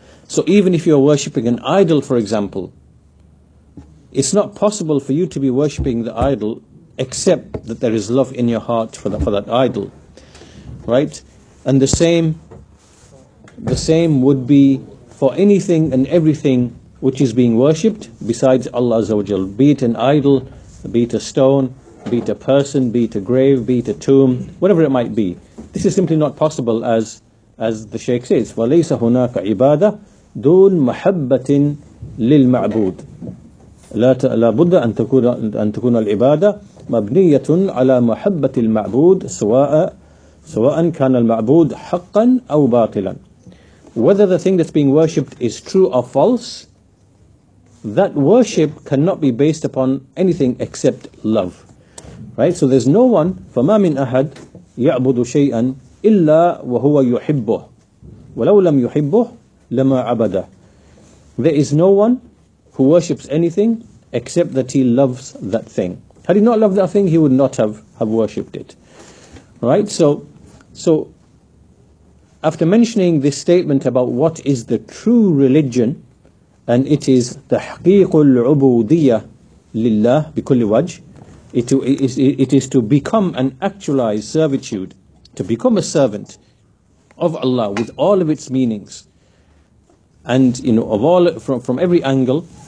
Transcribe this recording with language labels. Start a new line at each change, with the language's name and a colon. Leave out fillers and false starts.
English: So even if you are worshipping an idol, for example, it's not possible for you to be worshipping the idol except that there is love in your heart for that idol, right? And the same would be for anything and everything which is being worshipped besides Allah Azza wa Jal, be it an idol, be it a stone, be it a person, be it a grave, be it a tomb, whatever it might be. This is simply not possible, as the Shaykh says,
Arabic: وَلَيْسَ هُنَاكَ عِبَادَةٌ دُونَ مَحَبَّةٍ لِلْمَعْبُودِ لَا بُدَّ أَن تَكُونَ الْعِبَادَةُ مَبْنِيَّةٌ عَلَى مَحَبَّةِ الْمَعْبُودِ سَوَاءً كَانَ الْمَعْبُودُ حَقًّا أَوْ بَاطِلًا.
English: Whether the thing that's being worshipped is true or false, that worship cannot be based upon anything except love. Right, so there's no one,
Arabic: فَمَا مِنْ أَحَدْ يَعْبُدُ شَيْئًا إِلَّا وَهُوَ يُحِبُّهُ وَلَوْ لَمْ يُحِبُّهُ لَمَا عَبَدَهُ.
English: There is no one who worships anything except that he loves that thing. Had he not loved that thing, he would not have worshipped it. Right, so After mentioning this statement about what is the true religion, and it is
Arabic: تحقيق العبودية لله بكل وجه,
English: it is to become an actualized servitude, to become a servant of Allah with all of its meanings, and you know, of all from every angle.